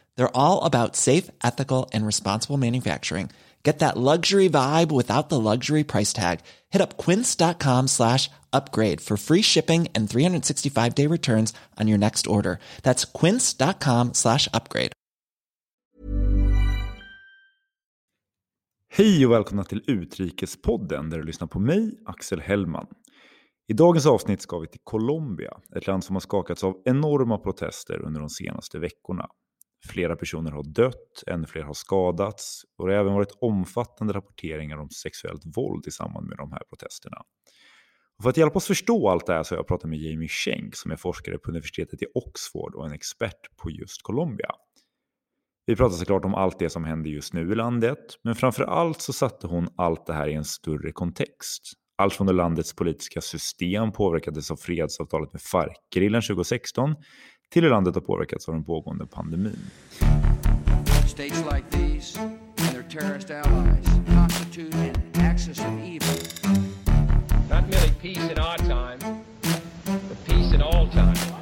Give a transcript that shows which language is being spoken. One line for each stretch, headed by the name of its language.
English: They're all about safe, ethical, and responsible manufacturing. Get that luxury vibe without the luxury price tag. Hit up quince.com/upgrade for free shipping and 365-day returns on your next order. That's quince.com/upgrade.
Swedish: Hej och välkomna till Utrikespodden där du lyssnar på mig, Axel Hellman. I dagens avsnitt ska vi till Colombia, ett land som har skakats av enorma protester under de senaste veckorna. Flera personer har dött, ännu fler har skadats och det har även varit omfattande rapporteringar om sexuellt våld i samband med de här protesterna. Och för att hjälpa oss förstå allt det här så har jag pratat med Jamie Schenk som är forskare på universitetet i Oxford och en expert på just Colombia. Vi pratar såklart om allt det som händer just nu i landet, men framförallt så satte hon allt det här i en större kontext. Allt från landets politiska system påverkades av fredsavtalet med FARC-grillen 2016 till hur landet har påverkats av den pågående pandemin.
English: States like these and their terrorist allies constitute an axis of evil. Not merely peace in our time, but peace in all time.